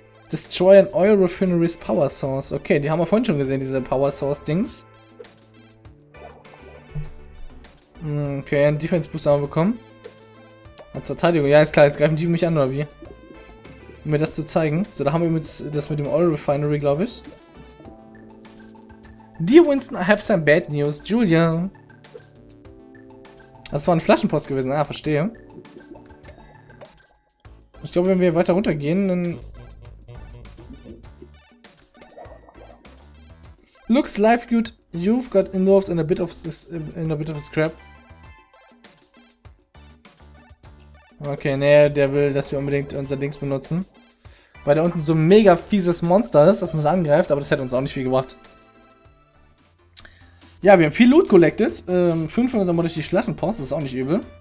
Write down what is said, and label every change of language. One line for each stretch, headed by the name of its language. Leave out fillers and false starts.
English: Destroy an oil refinery's power source.
German: Okay, die haben wir vorhin schon gesehen, diese power source Dings. Okay, einen Defense Boost haben wir bekommen. Als Verteidigung. Ja, ist klar, jetzt greifen die mich an, oder wie? Um mir das zu zeigen. So, da haben wir jetzt das mit dem Oil Refinery, glaube ich.
English: Dear Winston, I have some bad news. Julia.
German: Das war ein Flaschenpost gewesen. Ah, verstehe. Ich glaube, wenn wir weiter runtergehen, dann...
English: Looks life good. You've got involved in a bit of scrap.
German: Okay, nee, der will, dass wir unbedingt unser Dings benutzen. Weil da unten so ein mega fieses Monster ist, das uns angreift, aber das hätte uns auch nicht viel gebracht. Ja, wir haben viel Loot collected. 500 mal durch die Schlaschenpost, das ist auch nicht übel.